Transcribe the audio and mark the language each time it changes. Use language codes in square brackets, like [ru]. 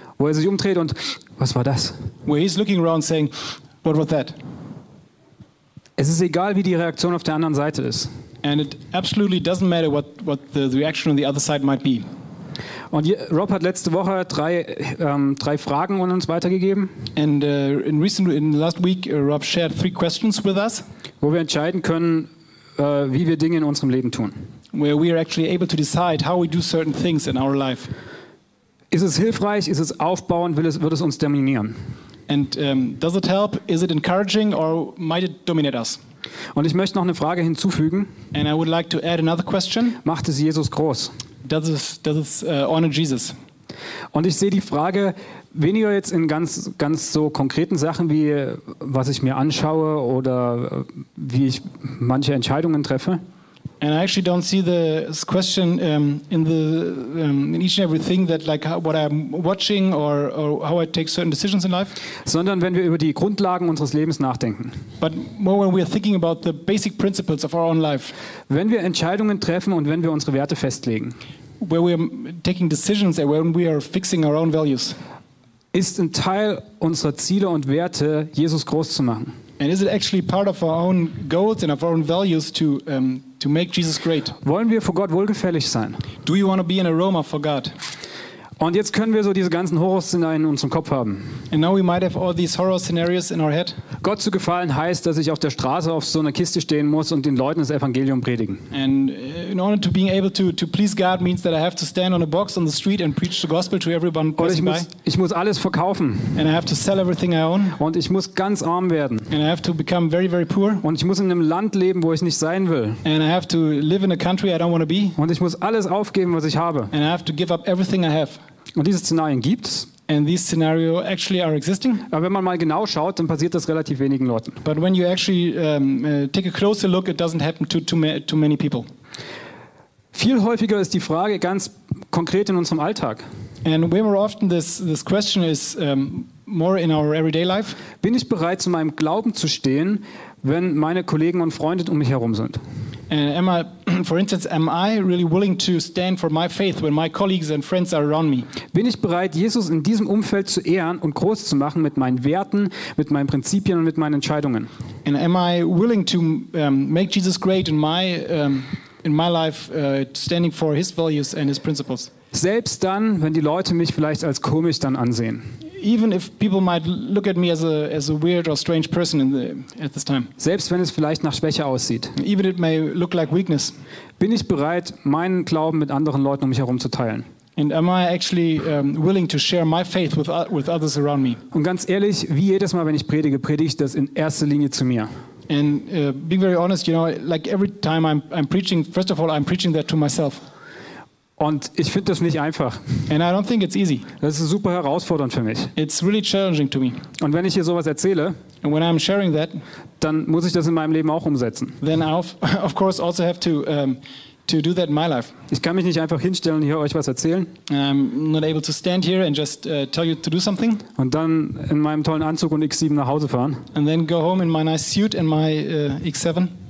[de] Wo er sich umdreht und, was war das? [en] Where he's looking around saying, what was that? [de] Es ist egal, wie die Reaktion auf der anderen Seite ist. [en] And it absolutely doesn't matter what the reaction on the other side might be. [de] Und Rob hat letzte Woche drei Fragen an uns weitergegeben. [en] And in last week Rob shared three questions with us. [de] Wo wir entscheiden können, wie wir Dinge in unserem Leben tun. [en] Where we are actually able to decide how we do certain things in our life. [de] Ist es hilfreich? Ist es aufbauend? Wird es uns dominieren? [en] And does it help? Is it encouraging or might it dominate us? [de] Und ich möchte noch eine Frage hinzufügen. [en] And I would like to add another question. [de] Macht es Jesus groß? [en] Does it honor Jesus? [de] Und ich sehe die Frage weniger jetzt in ganz, ganz so konkreten Sachen, wie was ich mir anschaue oder wie ich manche Entscheidungen treffe. [en] And I actually don't see this question in each and every thing that like what I'm watching or how I take certain decisions in life. [de] Sondern wenn wir über die Grundlagen unseres Lebens nachdenken. [en] But more when we are thinking about the basic principles of our own life. [de] Wenn wir Entscheidungen treffen und wenn wir unsere Werte festlegen. [en] Where we are taking decisions and when we are fixing our own values. [de] Ist ein Teil unserer Ziele und Werte, Jesus groß zu machen. [en] And is it actually part of our own goals and of our own values to make Jesus great? [de] Wollen wir vor Gott wohlgefällig sein? [en] Do you want to be an aroma for God? [de] Und jetzt können wir so diese ganzen Horrorszenarien in unserem Kopf haben. [en] And now we might have all these horror scenarios in our head. [de] Gott zu gefallen heißt, dass ich auf der Straße auf so einer Kiste stehen muss und den Leuten das Evangelium predigen. [en] And in order to being able to please God means that I have to stand on a box on the street and preach the gospel to everyone passing by. [de] Ich muss alles verkaufen. [en] And I have to sell everything I own. [de] Und ich muss ganz arm werden. [en] And I have to become very very poor. [de] Und ich muss in einem Land leben, wo ich nicht sein will. [en] And I have to live in a country I don't want to be. [de] Und ich muss alles aufgeben, was ich habe. [en] And I have to give up everything I have. [de] Und diese Szenarien gibt's. [en] And these scenario actually are existing. [de] Aber wenn man mal genau schaut, dann passiert das relativ wenigen Leuten. [en] But when you actually take a closer look, it doesn't happen to many people. [de] Viel häufiger ist die Frage ganz konkret in unserem Alltag. [en] And way more often this question is more in our everyday life. [de] Bin ich bereit, zu meinem Glauben zu stehen, wenn meine Kollegen und Freunde um mich herum sind? [en] And am I really willing to stand for my faith when my colleagues and friends are around me? [de] Bin ich bereit, Jesus in diesem Umfeld zu ehren und groß zu machen mit meinen Werten, mit meinen Prinzipien und mit meinen Entscheidungen? [en] And am I willing to make Jesus great in my life, standing for his values and his principles? [de] Selbst dann, wenn die Leute mich vielleicht als komisch dann ansehen. [en] Even if people might look at me as a weird or strange person at this time. [de] Selbst wenn es vielleicht nach Schwäche aussieht. [en] Even it may look like weakness. [de] Bin ich bereit, meinen Glauben mit anderen Leuten um mich herum zu teilen? [en] And am I actually willing to share my faith with others around me? [de] Und ganz ehrlich, wie jedes Mal, wenn ich predige ich das in erster Linie zu mir. [en] And being very honest, you know, like every time I'm preaching, first of all, I'm preaching that to myself. [de] Und ich finde das nicht einfach. [en] And I don't think it's easy. [de] Das ist super herausfordernd für mich. [en] It's really challenging to me. [de] Und wenn ich hier sowas erzähle, [en] and when I'm sharing that, [de] dann muss ich das in meinem Leben auch umsetzen. [en] Then I of course also have to do that in my life. [de] Ich kann mich nicht einfach hinstellen und hier euch was erzählen. [en] I'm not able to stand here and just tell you to do something. [de] Und dann in meinem tollen Anzug und X7 nach Hause fahren. [en] And then go home in my nice suit and my X7.